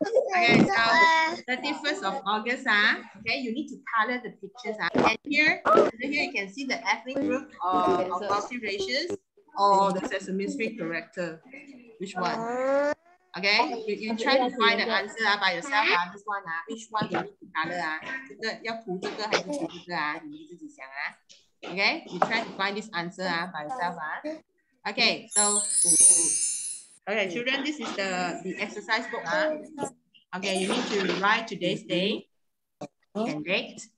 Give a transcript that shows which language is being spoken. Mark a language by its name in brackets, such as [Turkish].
[English] Okay, so 31st of August, okay, you need to color the pictures. And here, you can see the ethnic group of multi races or the Sesame Street character. Which one? Okay, you try to find the answer by yourself. This one, which one you need to color? [Chinese] 这个要涂这个还是涂这个啊？你自己想啊。 [English] Okay, you try to find this answer by yourself. Okay, so okay, children, this is the exercise book. Okay, you need to write today's day and date.